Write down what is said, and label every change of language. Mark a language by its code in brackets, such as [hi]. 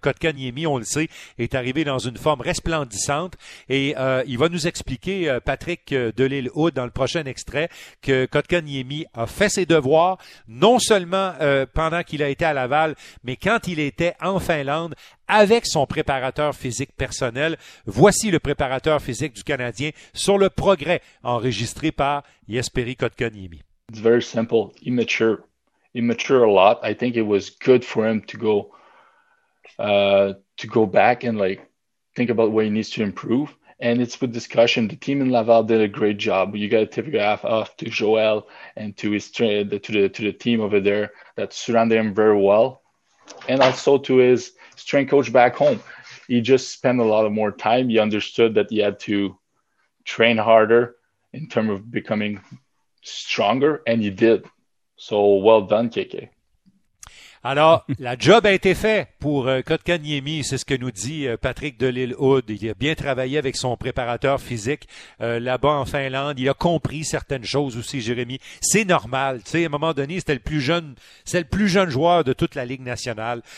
[fr] Kotkaniemi, on le sait, est arrivé dans une forme resplendissante et il va nous expliquer, Patrick Delisle-Houde, dans le prochain extrait, que Kotkaniemi a fait ses devoirs, non seulement pendant qu'il a été à Laval, mais quand il était en Finlande, avec son préparateur physique personnel. Voici le préparateur physique du Canadien sur le progrès enregistré par Jesperi Kotkaniemi. [en] It's very simple, immature. Immature a lot. I think it was good for him to go back and like think about what he needs to improve. And it's with discussion. The team in Laval did a great job. You got to tip your hat off to Joel and to his to the team over there that surrounded him very well. And also to his strength coach back home. He just spent a lot of more time. He understood that he had to train harder in terms of becoming stronger, and he did. So well done, KK. [fr] Alors, la job a été faite pour Kotkaniemi, c'est ce que nous dit Patrick Delisle-Houde. Il a bien travaillé avec son préparateur physique là-bas en Finlande. Il a compris certaines choses aussi, Jérémy. C'est normal. Tu sais, à un moment donné, c'était le plus jeune joueur de toute la Ligue nationale.